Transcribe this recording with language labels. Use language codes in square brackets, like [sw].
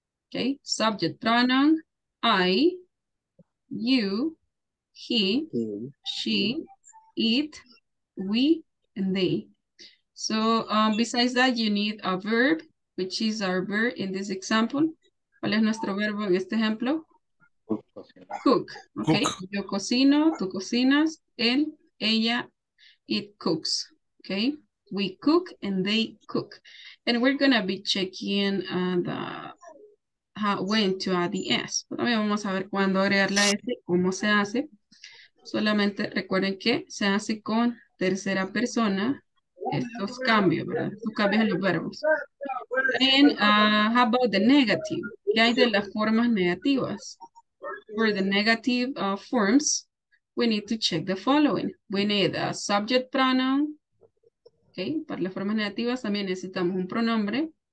[en] Okay, subject pronoun, I, you, he, she, it, we, and they. So besides that, you need a verb, which is our verb in this example. [es] ¿Cuál es nuestro verbo en este ejemplo? Cook. Okay, cook. Yo cocino, tú cocinas, él, ella, [en] it cooks. Okay, we cook and they cook. And we're going to be checking the... when to add the S. [es] También vamos a ver cuándo agregar la S, cómo se hace. Solamente recuerden que se hace con tercera persona estos cambios, ¿verdad? Estos cambios en los verbos. [en] And how about the negative? [es] ¿Qué hay de las formas negativas? [en] For the negative forms, we need to check the following. We need a subject pronoun. [es] Okay, para las formas negativas también necesitamos un pronombre.